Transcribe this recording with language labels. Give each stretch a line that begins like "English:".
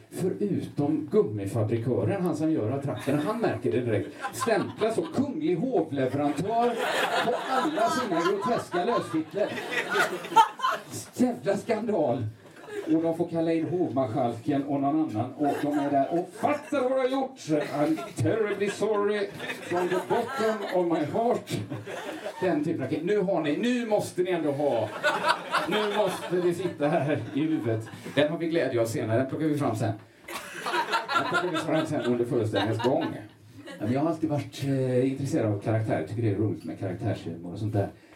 Swedish: Förutom gummifabrikören, han som gör attrakterna, han märker det direkt. Stämplas och kunglig hovleverantör på alla sina groteska lösfittlar. Jävla skandal. Och de får kalla in hovmarskalken och någon annan. Och de är där och fattar vad de har gjort.
English: I'm terribly sorry from the bottom of my heart.
Swedish: Den typen av kille. Nu har ni, nu måste ni ändå ha. Nu måste ni sitta här i huvudet. Den har vi glädje av senare. Den plockar vi fram sen. Den plockar vi fram sen under föreställningens gång. Jag har alltid varit intresserad av karaktärer. Tycker det är roligt med karaktärsfilmer och sånt där.